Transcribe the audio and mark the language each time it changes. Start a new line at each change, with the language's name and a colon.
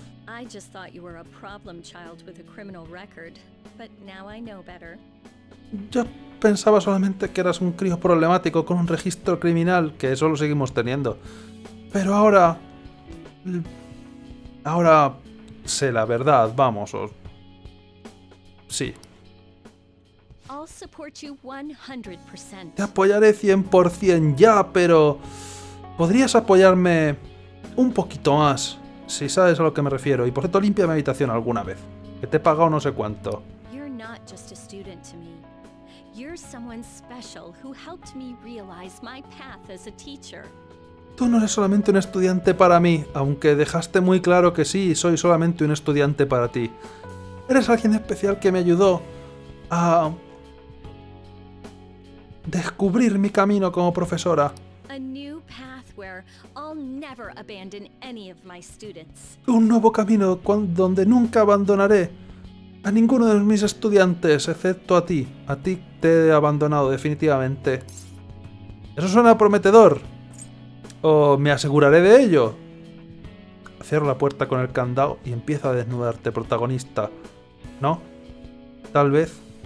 English: I just thought you were a problem child with a criminal record, but now I know better.
Spanish: Yo pensaba solamente que eras un crío problemático con un registro criminal, que eso lo seguimos teniendo. Pero ahora... Ahora sé la verdad, vamos. Sí.
English: I'll support you 100%.
Spanish: Te apoyaré 100% ya, pero... ¿Podrías apoyarme un poquito más si sabes a lo que me refiero. Y por cierto, limpia mi habitación alguna vez. Que te he pagado no sé cuánto.
English: You're not just a student to me. You're someone special who helped me realize my path as a teacher.
Spanish: Tú no eres solamente un estudiante para mí, aunque dejaste muy claro que sí, soy solamente un estudiante para ti. Eres alguien especial que me ayudó a descubrir mi camino como profesora.
English: A new path where I'll never abandon any of my students.
Spanish: Un nuevo camino donde nunca abandonaré a ninguno de mis estudiantes, excepto a ti. A ti te he abandonado definitivamente. Eso suena prometedor. O me aseguraré de ello. Cierro la puerta con el candado y empiezo a desnudarte, protagonista. ¿No? Tal vez.